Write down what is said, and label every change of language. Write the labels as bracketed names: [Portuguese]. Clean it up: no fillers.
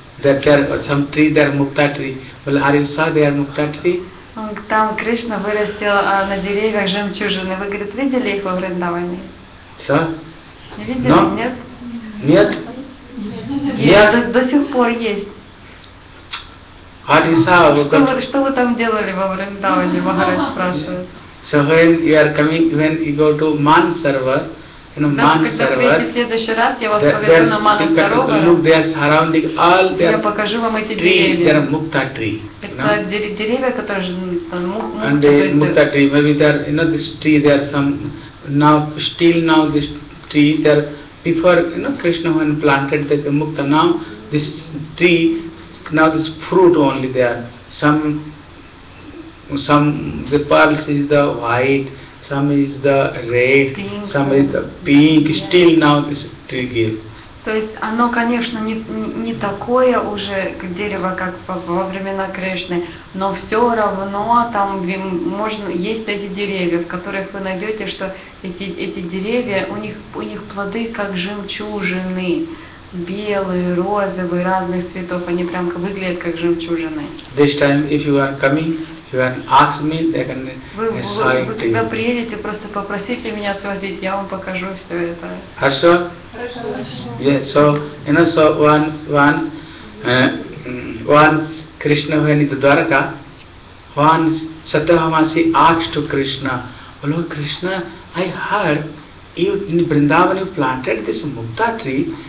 [Russian] Там Кришна вырастил на деревьях жемчужины. Вы, говорит, видели их во Вриндаване? Что? Не видели? [English] No? [Russian] Нет? Нет? Нет. До сих пор есть. Ариса, что вы там делали во Вриндаване, Махарадж спрашивает. [English] So when you are coming, when you go to Mansarovar, you know, Mansarovar, look, they are surrounding all their trees, they are Mukta tree, you know. And the Mukta tree, maybe they are, you know, this tree, there are some, now, still now this tree, they are, before, you know, Krishna when planted the Mukta, now this tree, now this fruit only there, some the pearls is the white, some is the red, pink. Some is the pink, yeah. Still now this tree gives. [Russian] То есть оно, конечно, не такое уже дерево, как во времена Кришны, но все равно там можно есть эти деревья, в которых вы найдете, что эти деревья, у них плоды как жемчужины, белые, розовые, разных цветов, они прям выглядят как жемчужины. [English] This time, if you are coming, you can ask me, they can sign to you. [Russian] Вы когда приедете, просто попросите меня свозить, я вам покажу все это. Хорошо? [English] Yes, so, you know, so once Krishna went into Dwaraka, once Satyavamasi asked to Krishna, Lord Krishna, I heard you in Vrindavan you planted this Mukta tree.